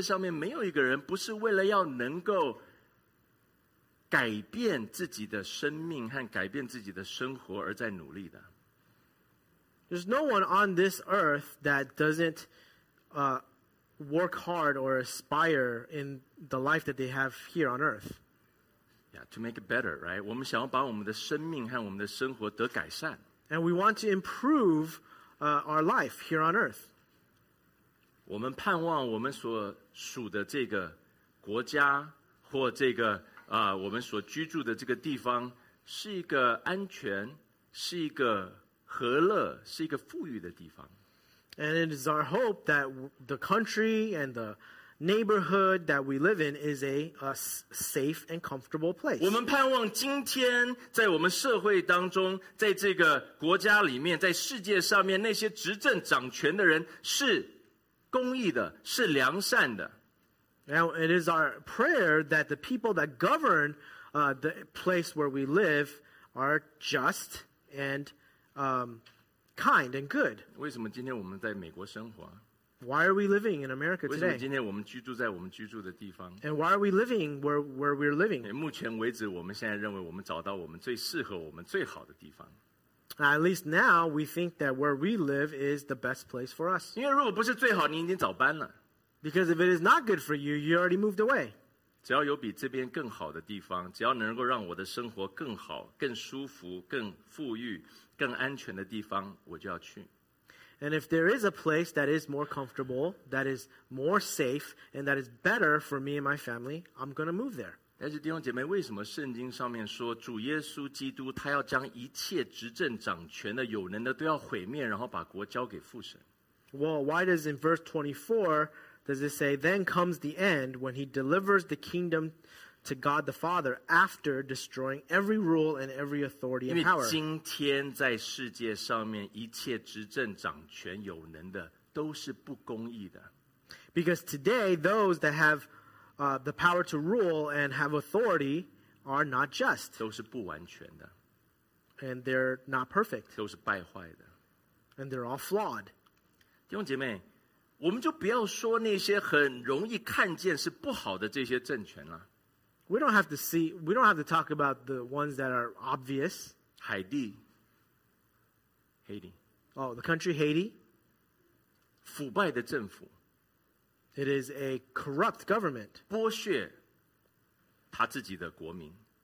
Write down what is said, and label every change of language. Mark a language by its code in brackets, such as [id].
[zh] 没有, 改变自己的生命和改变自己的生活而在努力的。 [en] There's no one on this earth that doesn't work hard or aspire in the life that they have here on earth. Yeah, to make it better, right? [zh] 我们想要把我们的生命和我们的生活得改善。 [en] And we want to improve our life here on earth. [zh] 我们盼望我们所属的这个国家或这个我们所居住的这个地方是一个安全，是一个和乐，是一个富裕的地方。 [en] And it is our hope that the country and the neighborhood that we live in is a safe and comfortable place. [zh] 我们盼望今天在我们社会当中，在这个国家里面，在世界上面，那些执政掌权的人是公义的，是良善的。 [en] Now it is our prayer that the people that govern the place where we live are just and kind and good. [zh] 为什么今天我们在美国生活？ [en] Why are we living in America today? [zh] 为什么今天我们居住在我们居住的地方？ [en] And why are we living where we're living? [zh] 目前为止，我们现在认为我们找到我们最适合我们最好的地方。 [en] At least now, we think that where we live is the best place for us. [zh] 因为如果不是最好，你已经早搬了。 [en] Because if it is not good for you, you already moved away. [zh] 只要有比这边更好的地方，只要能够让我的生活更好、更舒服、更富裕、更安全的地方，我就要去。 [en] And if there is a place that is more comfortable, that is more safe, and that is better for me and my family, I'm going to move there. [zh] 但是弟兄姐妹，为什么圣经上面说主耶稣基督他要将一切执政掌权的有能的都要毁灭，然后把国交给父神？ [en] Well, why does in verse 24, does it say, then comes the end when he delivers the kingdom to God the Father after destroying every rule and every authority and power. [zh] 因为今天在世界上面一切执政掌权有能的都是不公义的。 [en] Because today those that have the power to rule and have authority are not just. [zh] 都是不完全的。 [en] And they're not perfect. [zh] 都是败坏的。 [en] And they're all flawed. [zh] 弟兄姐妹，我们就不要说那些很容易看见是不好的这些政权了。 [en] We don't have to talk about the ones that are obvious. Haiti. Oh, the country Haiti. [zh] 腐败的政府。 [en] It is a corrupt government. [zh] 剥削他自己的国民。